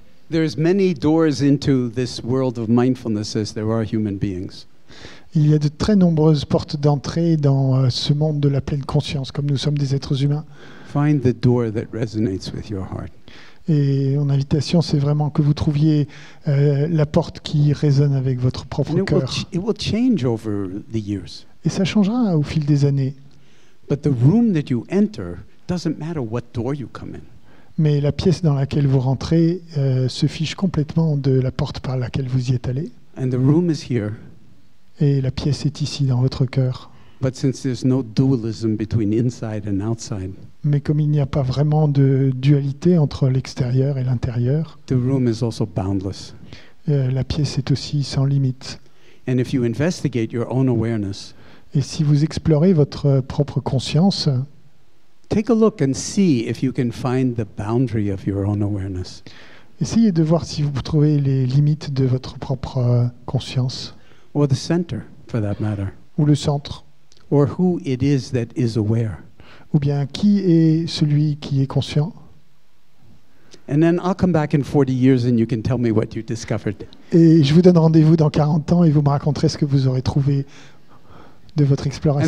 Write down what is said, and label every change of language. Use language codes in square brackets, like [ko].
[en] There is many doors into this world of mindfulness as there are human beings. [fr] Il y a de très nombreuses portes d'entrée dans ce monde de la pleine conscience comme nous sommes des êtres humains. [en] Find the door that resonates with your heart. [fr] Et mon invitation c'est vraiment que vous trouviez la porte qui résonne avec votre propre cœur. [en] It will change over the years. [fr] Et ça changera au fil des années. [en] But the room that you enter doesn't matter what door you come in. [fr] Mais la pièce dans laquelle vous rentrez se fiche complètement de la porte par laquelle vous y êtes allé. [en] And the room is here. [fr] Et la pièce est ici, dans votre cœur. [en] But since there's no dualism between inside and outside, [fr] mais comme il n'y a pas vraiment de dualité entre l'extérieur et l'intérieur, [en] the room is also boundless. [fr] La pièce est aussi sans limite. [en] And if you investigate your own awareness, [fr] et si vous explorez votre propre conscience, [en] take a look and see if you can find the boundary of your own awareness. [fr] Essayez de voir si vous trouvez les limites de votre propre conscience. [en] Or the center, for that matter. [fr] Ou le centre. [en] Or who it is that is aware. [fr] Ou bien qui est celui qui est conscient. [en] And then I'll come back in 40 years and you can tell me what you discovered. [fr] Et je vous donne rendez-vous dans 40 ans et vous me raconterez ce que vous aurez trouvé de votre exploration.